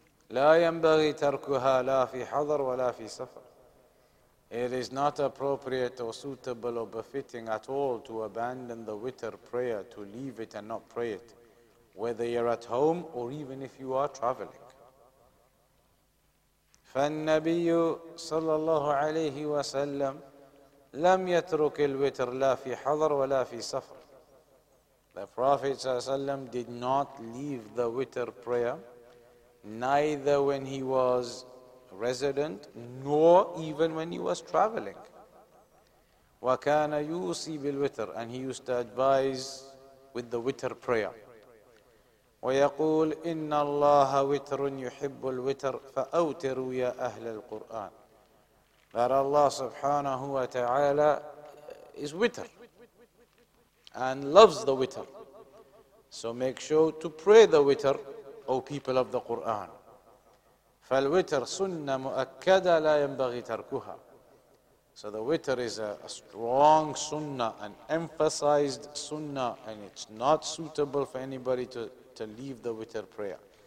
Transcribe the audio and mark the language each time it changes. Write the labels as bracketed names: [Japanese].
[Arabic] La yanbaghi tarkuha la fi hadar wa la fi safar. [English] It is not appropriate or suitable or befitting at all to abandon the witr prayer, to leave it and not pray it, whether you're at home or even if you are traveling. [Arabic] فالنبي صلى الله عليه وسلم لم يترك الوتر لا في حضر ولا في سفر. [English] The Prophet صلى الله عليه وسلم did not leave the witr prayer, neither when he was resident nor even when he was traveling. [Arabic] وكان يوصي بالوتر, [English] and he used to advise with the witr prayer. [Arabic] ويقول إن الله وتر يحب الوتر فأوتروا يا أهل القرآن. [English] That Allah سبحانه وتعالى is witr and loves the witr. So make sure to pray the witr, O people of the Quran. [Arabic] فالوتر سنة مؤكدة لا ينبغي تركها. [English] So the witr is a strong sunnah, an emphasized sunnah, and it's not suitable for anybody to leave the witr prayer.